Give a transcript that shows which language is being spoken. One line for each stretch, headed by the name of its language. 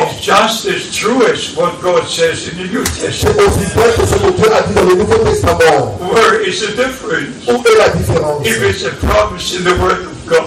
English: is just as true as what God says in the New Testament.
French: C'est aussi vrai que ce que Dieu a dit dans le Nouveau Testament.
English: Where is the difference?
French: Où est la différence?
English: If it's a promise in the Word of God,